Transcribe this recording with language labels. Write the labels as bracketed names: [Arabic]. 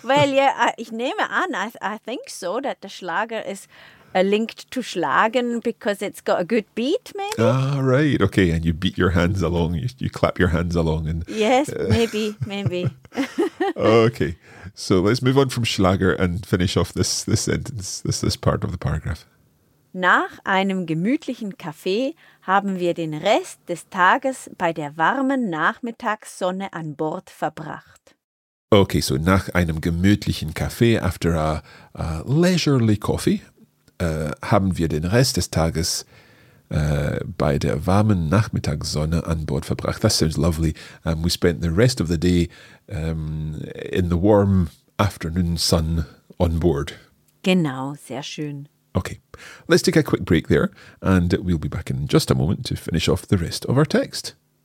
[English] Well, yeah, [German] ich nehme an, [English] I think so, that the Schlager is linked to Schlagen because it's got a good beat, maybe? Ah, right, okay, and you beat your hands along, you clap your hands along. And yes, maybe. Okay, so let's move on from Schlager and finish off this sentence, this part of the paragraph. [German] Nach einem gemütlichen Kaffee haben wir den Rest des Tages bei der warmen Nachmittagssonne an Bord verbracht. [English] Okay, so [German] nach einem gemütlichen Kaffee, [English] after a leisurely coffee, [German] haben wir den Rest des Tages bei der warmen Nachmittagssonne an Bord verbracht. [English] That sounds lovely. We spent the rest of the day in the warm afternoon sun on board. [German] Genau, sehr schön. [English] Okay, let's take a quick break there, and we'll be back in just a moment to finish off the rest of our text.